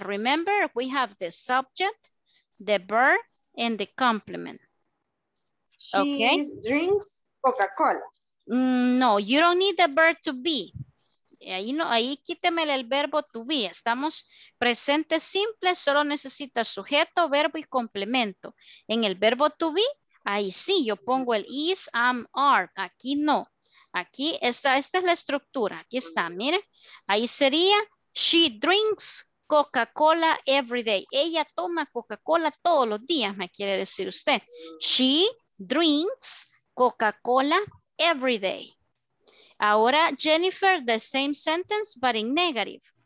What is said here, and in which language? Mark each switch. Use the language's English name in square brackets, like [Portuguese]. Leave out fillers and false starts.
[English] Remember, we have the subject, the verb, and the complement. She drinks Coca-Cola. No, you don't need the verb to be. [Spanish] Ahí, no, ahí quíteme el verbo to be. Estamos presente simple, solo necesita sujeto, verbo y complemento. En el verbo to be, ahí sí, yo pongo el is, am, are. Aquí no. Aquí está, esta es la estructura. Aquí está, miren. Ahí sería, [English] she drinks Coca-Cola every day. [Spanish] Ella toma Coca-Cola todos los días, me quiere decir usted. [English] She drinks Coca-Cola every day. Ahora, Jennifer, the same sentence, but in negative.